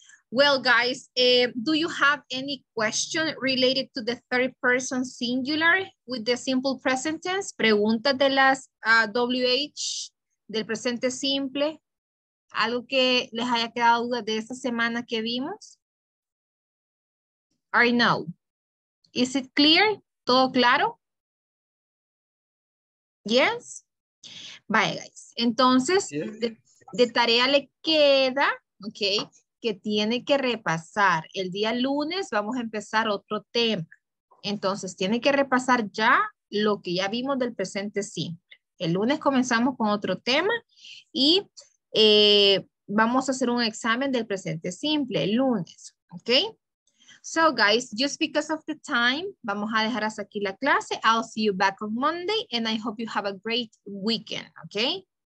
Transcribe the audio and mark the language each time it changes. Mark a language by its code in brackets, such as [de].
[en] Well, guys, do you have any question related to the third person singular with the simple present tense? [es] Pregunta de las WH del presente simple. Algo que les haya quedado duda de esta semana que vimos. [en] I know. Is it clear? [es] ¿Todo claro? [en] Yes. Bye, guys. Entonces, yeah. [es] De tarea le queda, ok, que tiene que repasar. El día lunes vamos a empezar otro tema. Entonces, tiene que repasar ya lo que ya vimos del presente simple. El lunes comenzamos con otro tema y vamos a hacer un examen del presente simple el lunes, ok. [en] So, guys, just because of the time, [es] vamos a dejar hasta aquí la clase. [en] I'll see you back on Monday and I hope you have a great weekend, ok.